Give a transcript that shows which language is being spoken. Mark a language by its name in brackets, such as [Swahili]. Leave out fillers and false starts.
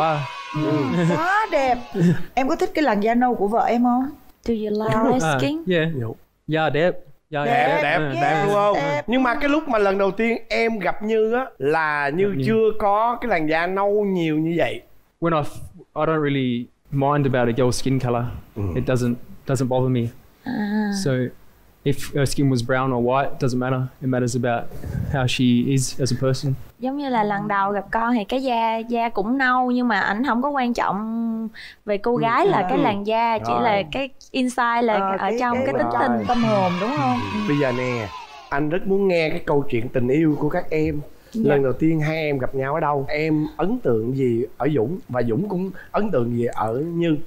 [Vietnamese] Quá. Quá đẹp. Em có thích cái làn da nâu của vợ em không? [English] Do you like skin? [Vietnamese] Yeah, đẹp. Đẹp đúng không? Đẹp. Nhưng mà cái lúc mà lần đầu tiên em gặp Như á là Như chưa có cái làn da nâu nhiều như vậy. [English] When I don't really mind about it, your skin color. It doesn't bother me. So if her skin was brown or white, doesn't matter. It matters about how she is as a person. [Vietnamese] Giống như là lần đầu gặp con thì cái da cũng nâu nhưng mà ảnh không có quan trọng về cô gái là cái làn da, chỉ là cái inside là ở trong cái tính tình tâm hồn đúng không? Bây giờ nè, anh rất muốn nghe cái câu chuyện tình yêu của các em. Dạ. Lần đầu tiên hai em gặp nhau ở đâu? Em ấn tượng gì ở Dũng và Dũng cũng ấn tượng gì ở Như?